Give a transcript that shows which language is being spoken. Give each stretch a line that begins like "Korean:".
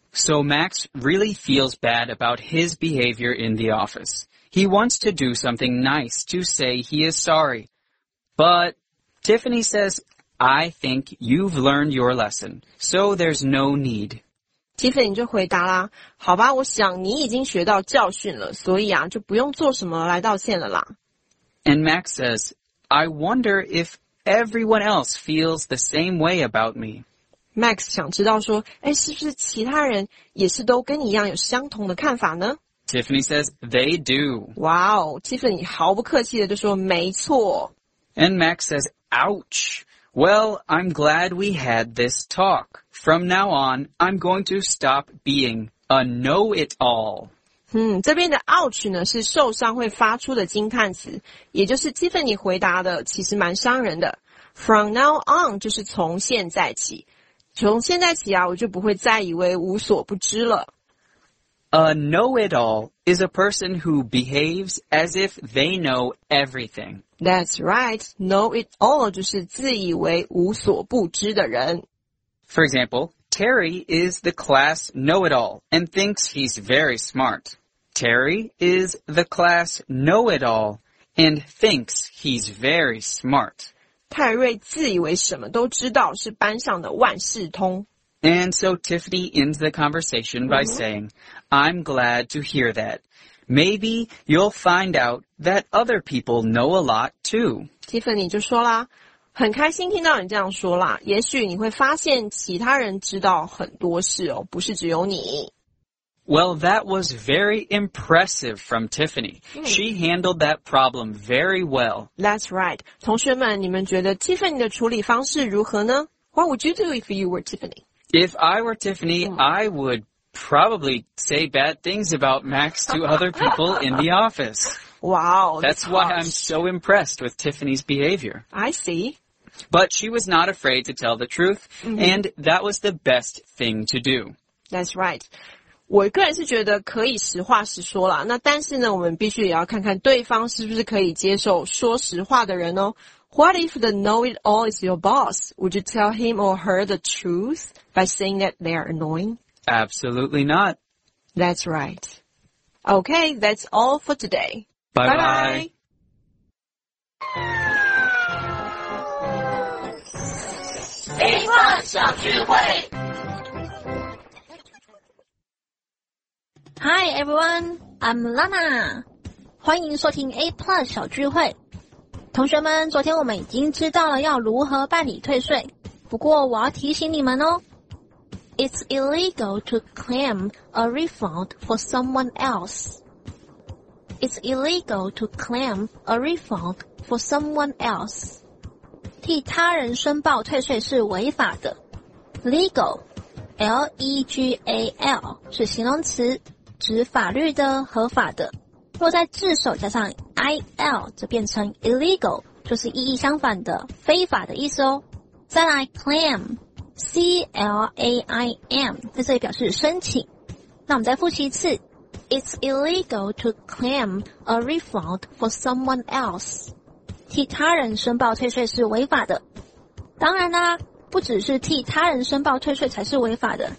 English: So Max really feels bad about his behavior in the office. He wants to do something nice to say he is sorry. But Tiffany says, I think you've learned your lesson, so there's no need.
Chinese: Tiffany 就回答啦，好吧，我想你已经学到教训了，所以啊，就不用做什么来道歉了啦。
English: And Max says, I wonder if everyone else feels the same way about me.
Chinese: Max 想知道说，诶，是不是其他人也是都跟你一样有相同的看法呢？
English: Tiffany says, they do.
Chinese: Wow, Tiffany 毫不客气的就说没错。
English: And Max says, ouch. Well, I'm glad we had this talk. From now on, I'm going to stop being a know-it-all.
Chinese: 这边的 ouch 呢是受伤会发出的惊叹词，也就是 Tiffany 回答的其实蛮伤人的。
English: From now on
Chinese: 就是从现在起，从现在起啊，我就不会再以为无所不知了。
English: A know-it-all is a person who behaves as if they know everything. That's right.
Chinese: Know-it-all 就是自以为无所不知的人。
English: For example,Terry is the class know-it-all and thinks he's very smart. Terry is the class know-it-all and thinks he's very smart.
Chinese: 泰瑞自以为什么都知道，是班上的万事通。
English: And so Tiffany ends the conversation by saying, I'm glad to hear that. Maybe you'll find out that other people know a lot too.
Chinese: Tiffany 就说啦，很开心听到你这样说啦，也许你会发现其他人知道很多事哦，不是只有你。
English: Well, that was very impressive from Tiffany. She handled that problem very well. That's right.
Chinese: 同学们，你们觉得 Tiffany 的处理方式如何呢？
English: What would you do if you were Tiffany? If I were Tiffany, I would probably say bad things about Max to other people in the office. Wow, that's why I'm so impressed with Tiffany's behavior. I see. But she was not afraid to tell the truth, and that was the best thing to do. That's right.
Chinese: 我个人是觉得可以实话实说啦，那但是呢，我们必须也要看看对方是不是可以接受说实话的人哦。
English: What if the know-it-all is your boss? Would you tell him or her the truth by saying that they are annoying? Absolutely not. That's right. Okay, that's all for today. Bye-bye.
Chinese: 一放小聚会。
English: Hi, everyone. I'm Lana.
Chinese: 欢迎收听
English: A Plus 小聚会。
Chinese: 同学们，昨天我们已经知道了要如何办理退税。不过我要提醒你们哦。
English: It's illegal to claim a refund for someone else. It's illegal to claim a refund for someone else.
Chinese: 替他人申报退税是违法的。 Legal, L-E-G-A-L, 是形容词，指法律的、合法的。若在字首加上 I-L, 则变成 illegal, 就是意义相反的、非法的意思哦。再来 claim, C-L-A-I-M, 在这里表示申请。那我们再复习一次。
English: It's illegal to claim a refund for someone else.
Chinese: 替他人申报退税是违法的。当然啦，不只是替他人申报退税才是违法的。